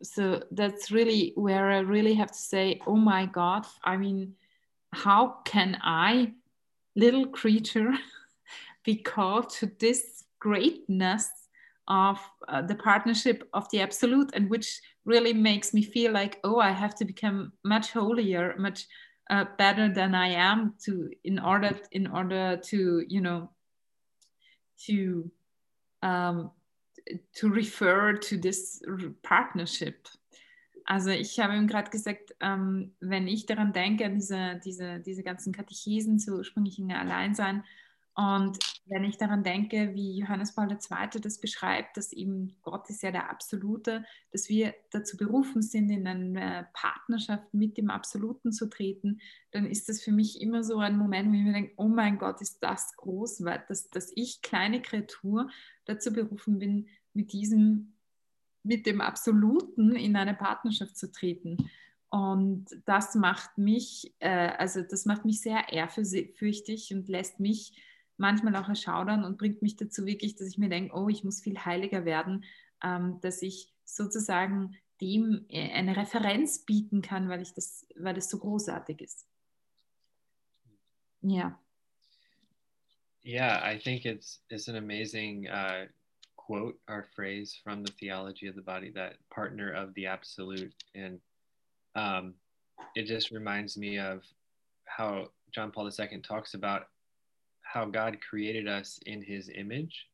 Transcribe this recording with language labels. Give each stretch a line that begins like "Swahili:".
English: So that's really where I really have to say, oh my God, I mean, how can I, little creature, be called to this greatness of the partnership of the absolute, and which really makes me feel like, oh, I have to become much holier, much better than I am, to in order to, you know, to to refer to this partnership.
German: Also ich habe ihm gerade gesagt, wenn ich daran denke, diese ganzen Katechesen zu ursprünglichen Alleinsein, und wenn ich daran denke, wie Johannes Paul II. Das beschreibt, dass eben Gott ist ja der Absolute, dass wir dazu berufen sind, in eine Partnerschaft mit dem Absoluten zu treten, dann ist das für mich immer so ein Moment, wo ich mir denke, oh mein Gott, ist das groß, weil dass ich, kleine Kreatur, dazu berufen bin, mit dem Absoluten in eine Partnerschaft zu treten. Und das macht mich, also das macht mich sehr ehrfürchtig und lässt mich manchmal auch erschaudern und bringt mich dazu wirklich, dass ich mir denke, oh, ich muss viel heiliger werden, dass ich sozusagen dem eine Referenz bieten kann, weil es so großartig ist. Ja.
English: Yeah, I think it's an amazing quote or phrase from the theology of the body, that partner of the absolute. And it just reminds me of how John Paul II talks about how God created us in his image.